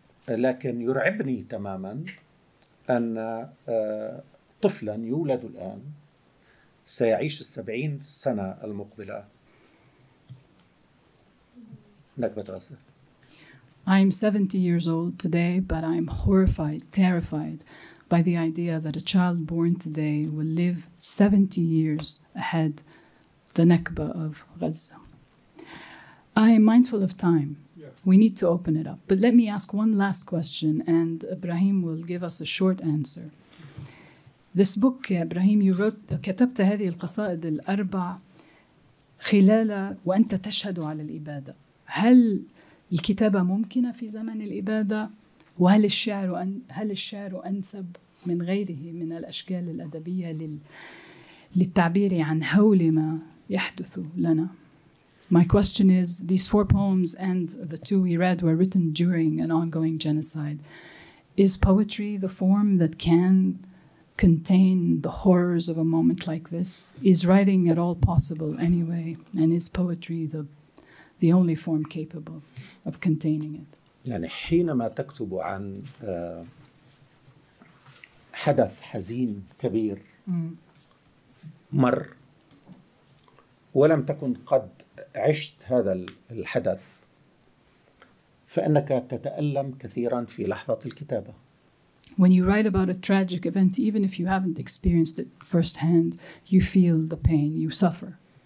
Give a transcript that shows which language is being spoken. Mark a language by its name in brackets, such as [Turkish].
[Arabic] لكن يرعبني تماما أن طفلا يولد الآن سيعيش 70 سنة المقبلة نكبة غزة. [English] I'm 70 years old today, but I'm horrified, terrified by the idea that a child born today will live 70 years ahead the Nakba of Gaza. I am mindful of time. Yes. We need to open it up. But let me ask one last question, and Ibrahim will give us a short answer. This book, Ibrahim, you wrote, [Arabic] كتبت هذه القصائد الأربع خلال وأنت تشهد على الإبادة. هل الكتابة ممكنة في زمن الإبادة؟ وهل الشعر أنسب من غيره من الأشكال الأدبية للتعبير عن هول ما يحدث لنا؟ [English] My question is, these four poems and the two we read were written during an ongoing genocide. Is poetry the form that can contain the horrors of a moment like this? Is writing at all possible anyway? And is poetry the only form capable of containing it? [Arabic] يعني حينما تكتب عن حدث حزين كبير مر ولم تكن قد عشت هذا الحدث فإنك تتألم كثيرا في لحظة الكتابة. [English] When you write about a tragic event, even if you haven't experienced it firsthand, you feel the pain, you suffer.